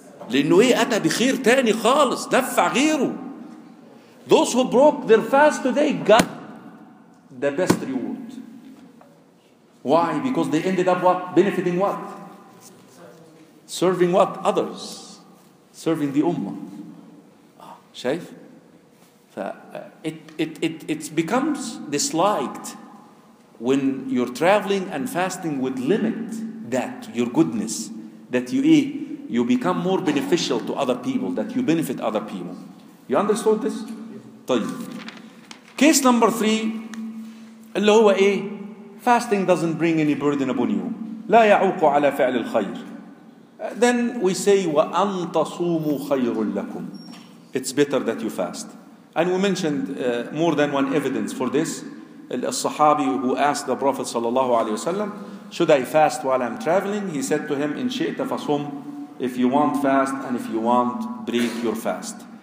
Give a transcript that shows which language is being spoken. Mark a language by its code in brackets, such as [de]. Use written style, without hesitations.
[ar] لأنه إيه أتى بخير تاني خالص دفع غيره. [en] Those who broke their fast today got the best reward. Why? Because they ended up what? Benefiting what? Serving what? Others. Serving the ummah. [ar] شايف؟ [en] It becomes disliked when you're traveling and fasting with limit that your goodness, that you eat, you become more beneficial to other people, that you benefit other people. You understood this? [ar] طيب. [en] Case number three, [ar] اللي هو إيه؟ [en] Fasting doesn't bring any burden upon you. [ar] لا يعوق على فعل الخير. [en] Then we say, [ar] وأن تصوموا خير لكم. [en] It's better that you fast. And we mentioned more than one evidence for this. الصحابي who asked the Prophet صلى الله عليه وسلم, should I fast while I'm traveling? He said to him, [ar] إن شئت فصم. [en] If you want fast and if you want break your fast.